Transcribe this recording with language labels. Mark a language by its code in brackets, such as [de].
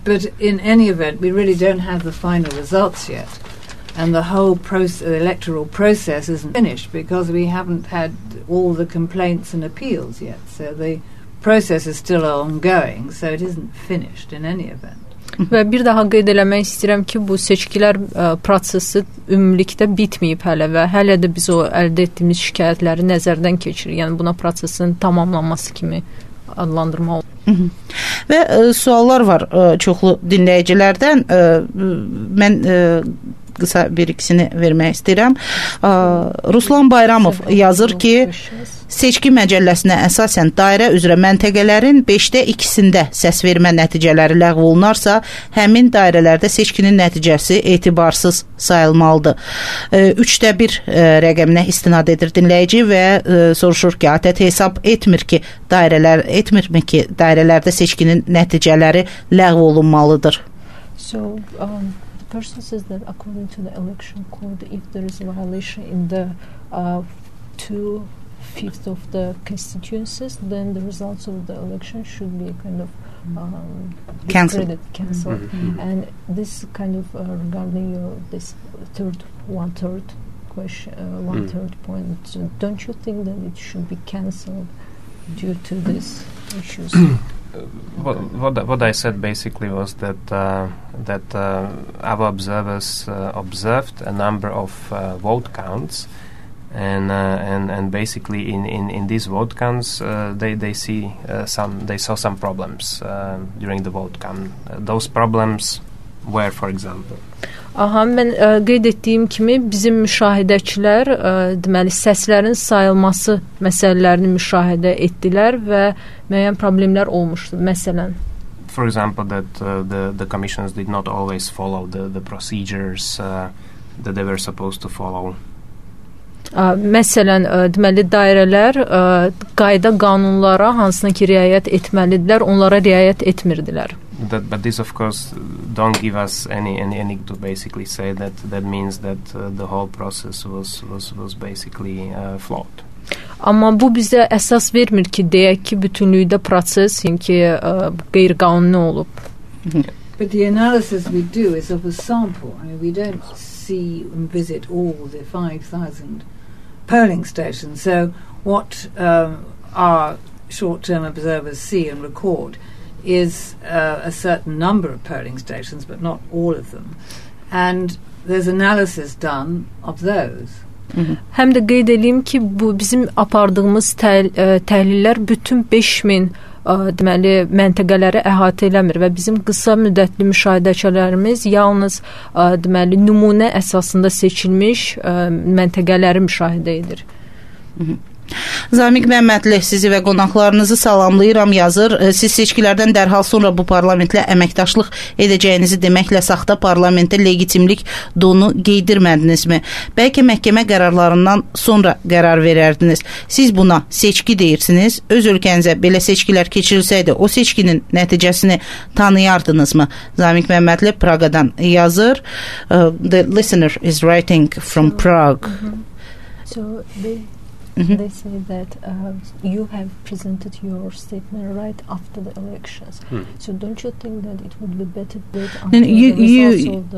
[en] But in any event, we really don't have the final results yet. And the whole electoral process isn't finished because we haven't had all the complaints and appeals yet. So the process is still ongoing, so it isn't finished in any event. [az] Və bir daha qeyd eləmək istəyirəm ki, bu seçkilər prosesi ümumilikdə bitməyib hələ və hələ də biz o əldə etdiyimiz şikayətləri nəzərdən keçirir. Yəni, buna prosesin tamamlanması kimi adlandırma olur. Və suallar var çoxlu dinləyicilərdən. Mən qısa bir ikisini vermək istəyirəm. Ruslan Bayramov yazır ki, seçki məcəlləsinə əsasən dairə üzrə məntəqələrin 5-də 2-sində səs vermə nəticələri ləğv olunarsa, həmin dairələrdə seçkinin nəticəsi etibarsız sayılmalıdır. 3-də 1 rəqəminə istinad edir dinləyici və soruşur ki, ATƏT hesab etmirmi ki, dairələrdə seçkinin nəticələri ləğv olunmalıdır? [en] The person says that according to the election code, if there is a violation in the 2/5 of the constituencies, then the results of the election should be kind of cancelled. Mm-hmm. And this kind of regarding this third, one-third question, one-third point, so don't you think that it should be cancelled due to these issues? What I said basically was that our observers observed a number of vote counts, and basically in these vote counts they saw some problems during the vote count. Those problems were, for example. [az] Aha, mən qeyd etdiyim kimi bizim müşahidəçilər deməli səslərin sayılması məsələlərini müşahidə etdilər və müəyyən problemlər olmuşdu. Məsələn, [en] for example, that the commissions did not always follow the procedures that they were supposed to follow. [az] Məsələn, deməli dairələr qayda qanunlara hansına ki riayət etməlidirlər, onlara riayət etmirdilər. [en] But this, of course, don't give us any to basically say that means that the whole process was basically flawed. [az] Amma bu bizə əsas vermir ki, deyək ki, bütünlüyüdə proses, yəni ki, qeyri-qanuni olub. [en] But the analysis we do is of a sample. I mean, we don't see and visit all the 5,000 polling stations. So what our short-term observers see and record is a certain number of polling stations, but not all of them. And there's analysis done of those. [az] Hem de qeyd edeyim ki, bu bizim apardığımız təhlillər bütün 5000 deməli məntəqələri əhatə eləmir və bizim qısa müddətli müşahidəçilərimiz yalnız deməli nümunə əsasında seçilmiş məntəqələri müşahidə edir. Zamiq Məmmədli, sizi və qonaqlarınızı salamlayıram, yazır. Siz seçkilərdən dərhal sonra bu parlamentlə əməkdaşlıq edəcəyinizi deməklə saxta parlamentə legitimlik donu qeydirmədinizmi? Bəlkə məhkəmə qərarlarından sonra qərar verərdiniz. Siz buna seçki deyirsiniz. Öz ölkənizə belə seçkilər keçirilsəydi, o seçkinin nəticəsini tanıyardınızmı? Zamiq Məmmədli Praqadan yazır. [en] The listener is writing from Prague. Mm-hmm. They say that you have presented your statement right after the elections. Hmm. So don't you think that it would be better to wait until